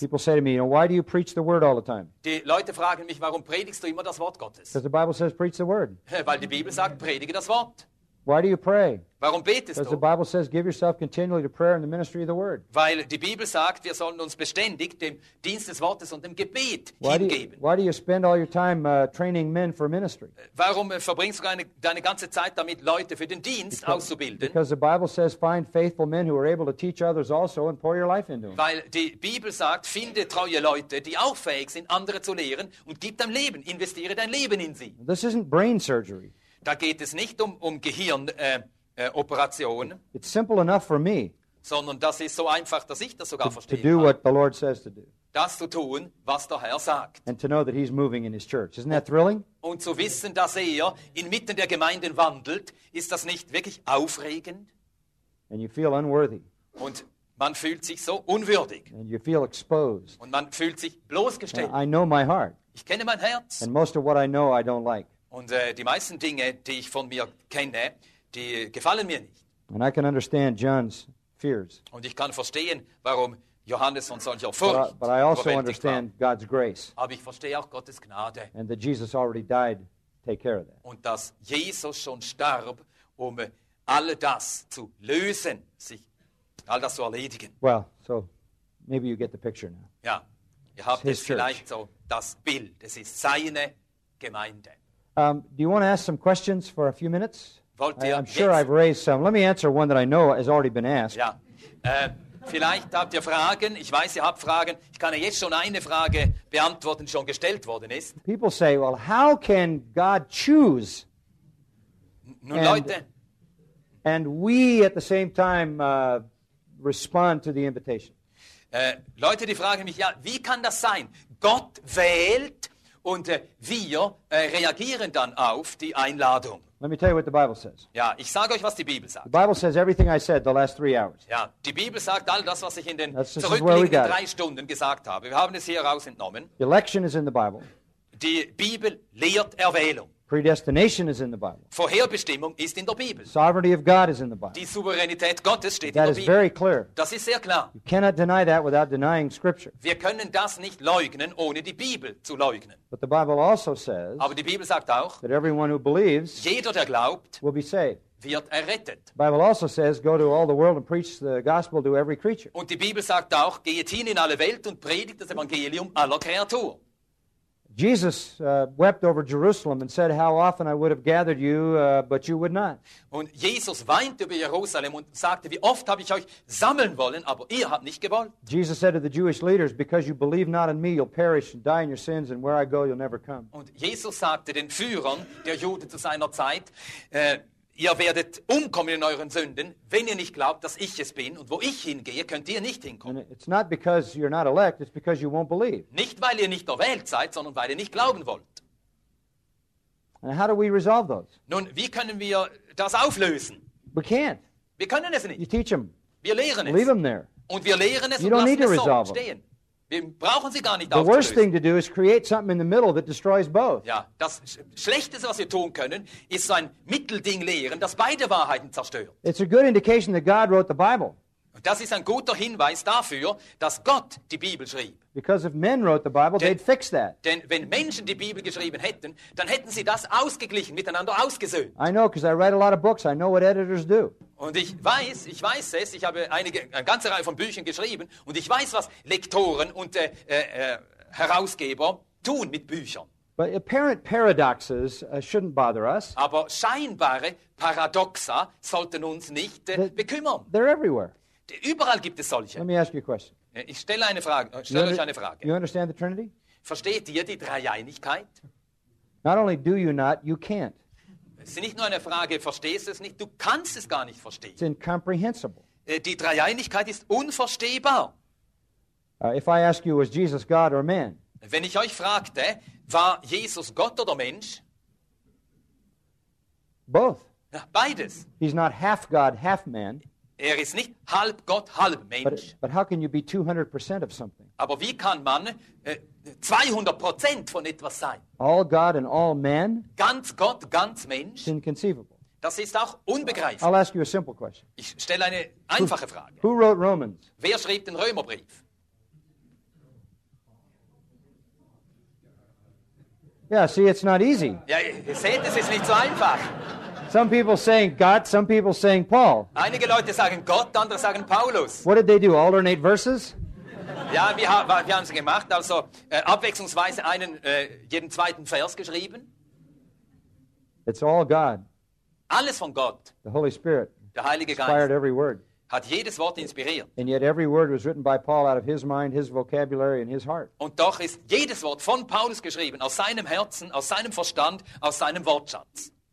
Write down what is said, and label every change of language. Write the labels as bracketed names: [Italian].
[English] People say to me, you know, why do you preach the word all the time? [German] Die Leute fragen mich, warum predigst du immer das Wort Gottes? [English] Because the Bible says, preach the word. [German] Weil die Bibel sagt, predige das Wort. [English] Why do you pray? [German] Warum betest du? [English] Because the Bible says, give yourself continually to prayer and the ministry of the word. [German] Weil die Bibel sagt, wir sollen uns beständig dem Dienst des Wortes und dem Gebet hingeben. [English] Why do you spend all your time training men for ministry? [German] Warum verbringst du deine ganze Zeit damit, Leute für den Dienst auszubilden? [English] Because the Bible says, find faithful men who are able to teach others also and pour your life into them. [German] Weil die Bibel sagt, finde treue Leute, die auch fähig sind, andere zu lehren und gib dein Leben, investiere dein Leben in sie. [English] This isn't brain surgery. [German] Da geht es nicht um Gehirn, Operation. [English] It's simple enough for me. [German] Sondern das ist so einfach, dass ich das sogar verstehe. [English] To do what the Lord says to do. [German] Das zu tun, was der Herr sagt. [English] And to know that he's moving in his church. Isn't that thrilling? [German] Und zu wissen, dass inmitten der Gemeinden wandelt, ist das nicht wirklich aufregend? [English] And you feel unworthy. [German] Und man fühlt sich so unwürdig. [English] And you feel exposed. [German] Und man fühlt sich bloßgestellt. [English] I know my heart. [German] Ich kenne mein Herz. [English] And most of what I know, I don't like. [German] Und die meisten Dinge, die ich von mir kenne, die gefallen mir nicht. [English] And I can understand John's fears. [German] Und ich kann verstehen, warum Johannes von solcher Furcht. [English] But I also understand God's grace. [German] Aber ich verstehe auch Gottes Gnade. [English] And that Jesus already died to take care of that. [German] Und dass Jesus schon starb, all das zu lösen, sich all das zu erledigen. [English] Well, so maybe you get the picture now. [German] Ja, ihr habt jetzt vielleicht so das Bild. Es ist seine Gemeinde. [English] Do you want to ask some questions for a few minutes? I'm sure I've raised some. Let me answer one that I know has already been asked. [German] Ja. Vielleicht habt ihr Fragen. Ich weiß, ihr habt Fragen. Ich kann jetzt schon eine Frage beantworten, die schon gestellt worden ist. [English] People say, well, how can God choose? [German] Leute. [English] And we at the same time respond to the invitation. [German] Leute, die fragen mich, ja, wie kann das sein? Gott wählt und wir reagieren dann auf die Einladung. [English] Let me tell you what the Bible says. [German] Ja, ich sage euch, was die Bibel sagt. [English] The Bible says everything I said the last 3 hours. [German] Ja, die Bibel sagt all das, was ich in den zurückliegenden 3 Stunden gesagt habe. Wir haben es hier raus entnommen. [English] The election is in the Bible. [German] Die Bibel lehrt Erwählung. [English] Predestination is in the Bible. [German] Vorherbestimmung ist in der Bibel. [English] Sovereignty of God is in the Bible. [German] Die Souveränität Gottes steht in der [English] Bibel. That is very clear. [German] Das ist sehr klar. [English] You cannot deny that without denying Scripture. [German] Wir können das nicht leugnen, ohne die Bibel zu leugnen. [English] But the Bible also says. [German] Aber die Bibel sagt auch. [English] That everyone who believes. [German] Jeder, der glaubt. [English] Will be saved. [German] Wird errettet. [English] The Bible also says, go to all the world and preach the gospel to every creature. [German] Und die Bibel sagt auch, geht hin in alle Welt und predigt das Evangelium aller Kreatur. [English] Jesus wept over Jerusalem and said, how often I would have gathered you, but you would not. [German] Und Jesus weinte über Jerusalem und sagte, wie oft habe ich euch sammeln wollen, aber ihr habt nicht gewollt. [English] Jesus said to the Jewish leaders, because you believe not in me, you'll perish and die in your sins, and where I go, you'll never come. [German] Und Jesus sagte den Führern der Juden zu seiner Zeit, ihr werdet umkommen in euren Sünden, wenn ihr nicht glaubt, dass ich es bin. Und wo ich hingehe, könnt ihr nicht hinkommen. [English] And it's not because you're not elect, it's because you won't believe. [German] Nicht, weil ihr nicht erwählt seid, sondern weil ihr nicht glauben wollt. [English] And how do we resolve those? [German] Nun, wie können wir das auflösen? [English] We can't. [German] Wir können es nicht. [English] You teach them. [German] Wir lehren es. [English] Leave them there. [German] Und wir lehren es [English] you [German] und [English] don't [German] lassen [English] need to [German] es so stehen. Wir brauchen sie gar nicht [English] the worst thing to do is create something in the middle that destroys both. [German] Ja, das Schlechteste, was wir tun können, ist so ein Mittelding lehren, das beide Wahrheiten zerstört. [English] It's a good indication that God wrote the Bible. [German] Das ist ein guter Hinweis dafür, dass Gott die Bibel schrieb. [English] Because if men wrote the Bible, they'd fix that. [German] Denn wenn Menschen die Bibel geschrieben hätten, dann hätten sie das ausgeglichen, miteinander ausgesöhnt. [English] I know, because I write a lot of books. I know what editors do. [German] Und ich weiß es, ich habe eine ganze Reihe von Büchern geschrieben und ich weiß, was Lektoren und Herausgeber tun mit Büchern. [English] But apparent paradoxes shouldn't bother us. [German] Aber scheinbare Paradoxa sollten uns nicht bekümmern. [English] They're everywhere. [German] Überall gibt es solche. [English] Let me ask you a question. [German] Ich stelle eine Frage. Stell euch eine Frage. [English] You understand the Trinity? [German] Versteht ihr die Dreieinigkeit? [English] Not only do you not, you can't. [German] Es ist nicht nur eine Frage, verstehst du es nicht, du kannst es gar nicht verstehen. [English] It's incomprehensible. [German] Die Dreieinigkeit ist unverstehbar. [English] If I ask you, was Jesus God or man? [German] Wenn ich euch fragte, war Jesus Gott oder Mensch? [English] Both. [German] Ja, beides. [English] He's not half God, half man. [German] Er ist nicht halb Gott, halb Mensch. [English] But how can you be 200% of something? [German] Aber wie kann man 200% von etwas sein? [English] All God and all man? [German] Ganz Gott, ganz Mensch? [English] Inconceivable. [German] Das ist auch unbegreiflich. [English] I'll ask you a simple question. [German] Ich stelle eine einfache Frage. [English] Who wrote Romans? [German] Wer schrieb den Römerbrief? [English] Yeah, see, it's not easy. [German] Ja, ihr seht, es ist nicht so einfach. [English] Some people saying God, some people saying Paul. [German] Einige Leute sagen Gott, andere sagen Paulus. [English] What did they do? Alternate verses? [German] Ja, wir haben es gemacht. Also abwechslungsweise jeden zweiten Vers geschrieben. [English] It's all God. [German] Alles von Gott. [English] The Holy Spirit. [German] Der Heilige Geist. [English] Inspired every word. [German] Hat jedes Wort inspiriert. [English] And yet every word was written by Paul out of his mind, his vocabulary, and his heart. [German] Und doch ist jedes Wort von Paulus geschrieben aus seinem Herzen, aus seinem Verstand, aus seinem Wortschatz.